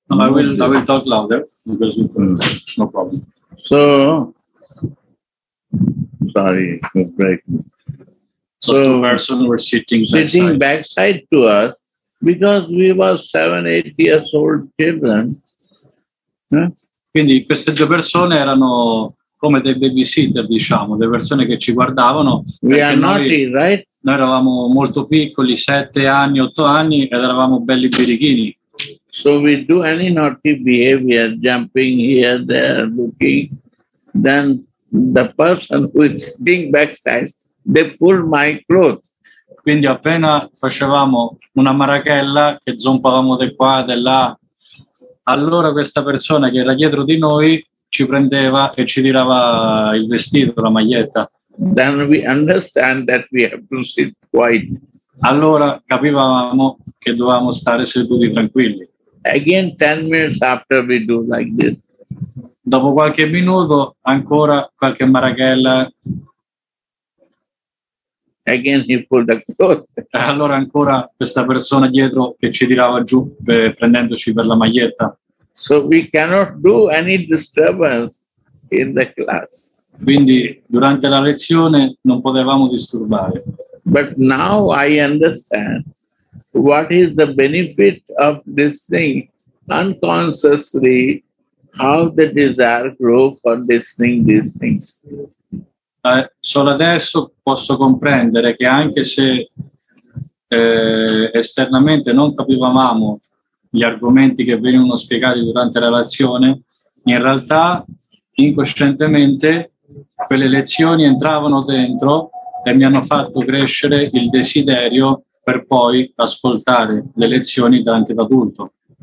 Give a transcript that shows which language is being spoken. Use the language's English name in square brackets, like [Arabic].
[English] I will talk louder because you can, no problem. So sorry for breaking. So two person were sitting backside to us, because we were 7-8 years old children. [Italian] Quindi queste due persone erano come dei babysitter, diciamo, delle persone che ci guardavano. [English] We are naughty, right? [Italian] noi eravamo molto piccoli, 7 anni, 8 anni, ed eravamo belli birichini. [English] So we do any naughty behavior, jumping here, there, looking, then the person with stink backside, they pull my clothes. [Italian] Quindi appena facevamo una marachella, che zompavamo di qua, di là, allora questa persona che era dietro di noi ci prendeva e ci tirava il vestito, la maglietta. [English] Then we understand that we have to sit quiet. [Italian] Allora capivamo che dovevamo stare seduti tranquilli. [English] Again, 10 minutes after we do like this. [Italian] Dopo qualche minuto, ancora qualche marachella. [English] Again, he pulled the clothes. [Italian] Allora ancora questa persona dietro che ci tirava giù prendendoci per la maglietta. [English] So we cannot do any disturbance in the class. [Italian] Quindi durante la lezione non potevamo disturbare. [English] But now I understand what is the benefit of this thing unconsciously, how the desire grow for listening these things. [Italian] Solo adesso posso comprendere che anche se esternamente non capivamo gli argomenti che venivano spiegati durante la lezione, in realtà incoscientemente quelle lezioni entravano dentro e mi hanno fatto crescere il desiderio per poi ascoltare le lezioni anche da adulto.